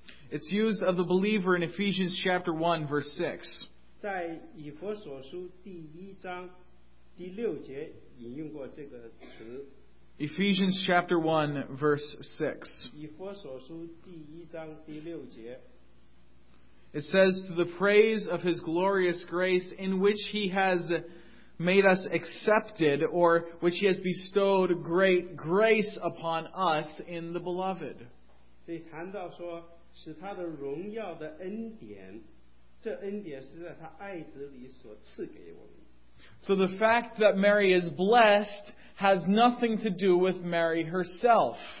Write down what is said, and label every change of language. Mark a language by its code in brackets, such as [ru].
[en] It's used of the believer in Ephesians chapter 1, verse 6. [zh] 在以弗所书第一章第六节引用过这个词。 [en] Ephesians chapter 1, verse 6. [zh] 以弗所书第一章第六节。 [en] It says, to the praise of his glorious grace in which he has made us accepted, or which he has bestowed great grace upon us in the beloved. [zh] 所以谈到说,使他的荣耀的恩典,这恩典是在他爱子里所赐给我们。 [en] So the fact that Mary is blessed has nothing to do with Mary herself.